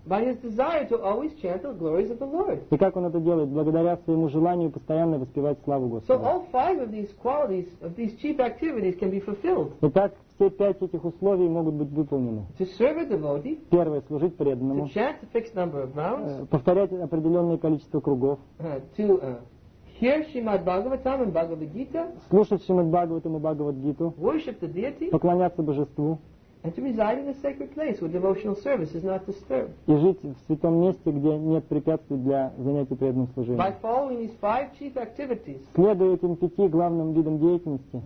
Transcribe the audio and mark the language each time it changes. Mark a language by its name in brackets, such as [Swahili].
[English] By his desire to always chant the glories of the Lord. [Russian] И как он это делает? Благодаря своему желанию постоянно воспевать славу Господа. [English] So all five of these qualities, of these chief activities, can be fulfilled. [Russian] Итак, все пять этих условий могут быть выполнены. [English] To serve a devotee. [Russian] Первое, служить преданному. [English] To chant a fixed number of rounds. [Russian] Повторять определенное количество кругов. [English] To Hear Shrimad Bhagavatam and Bhagavad Gita. [Russian] Слушать Шримад Бхагаватам и Бхагавад Гиту. [English] Worship the deity. [Russian] Поклоняться божеству. [English] And to reside in a sacred place where devotional service is not disturbed. [Russian] И жить в святом месте, где нет препятствий для занятий преданным служением. [English] By following these five chief activities. [Russian] Следуя этим пяти главным видам деятельности.